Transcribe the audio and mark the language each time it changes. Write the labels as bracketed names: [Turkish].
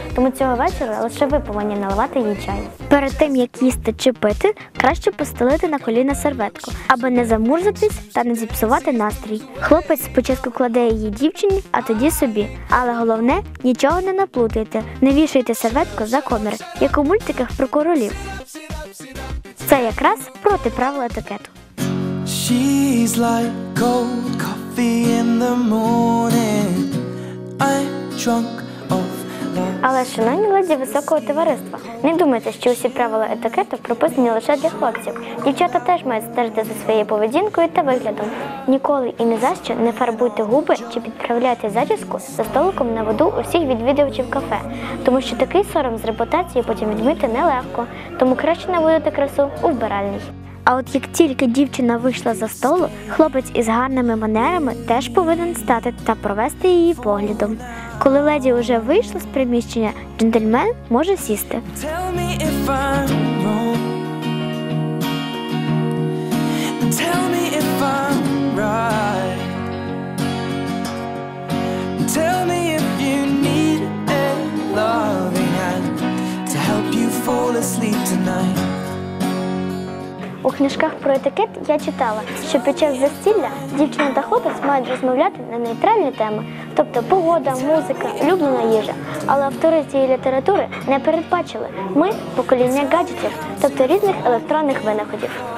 [Ukrainian] Тому цього вечора лише ви повинні наливати їй чай. Перед тим, як їсти чи пити, краще постелити на коліна серветку, аби не замурзатись та не зіпсувати настрій. Хлопець спочатку кладе її дівчині, а тоді собі. Але головне – нічого не наплутайте. Не вішайте серветку за комір, як у мультиках про королів. Це якраз проти правил етикету. [English] She's like cold coffee in the morning. I'm drunk off love. [Ukrainian] Але, шановні леді високого товариства, не думайте, що усі правила етикету прописані лише для хлопців. Дівчата теж мають стежити за своєю поведінкою та виглядом. Ніколи і ні за що не фарбуйте губи чи підправляйте зачіску за столиком на виду усіх відвідувачів кафе. Тому що такий сором з репутацією потім відмити нелегко. Тому краще наводити красу у вбиральній. А от як тільки дівчина вийшла за столу, хлопець із гарними манерами теж повинен стати та провести її поглядом. Коли леді вже вийшла з приміщення, джентльмен може сісти. [English] Tell me if I'm wrong. Tell me if I'm right. Tell me if you need a loving hand to help you fall asleep tonight. [Ukrainian] У книжках про етикет я читала, що під час застілля дівчина та хлопець мають розмовляти на нейтральні теми, тобто погода, музика, улюблена їжа. Але автори цієї літератури не передбачили. Ми – покоління гаджетів, тобто різних електронних винаходів.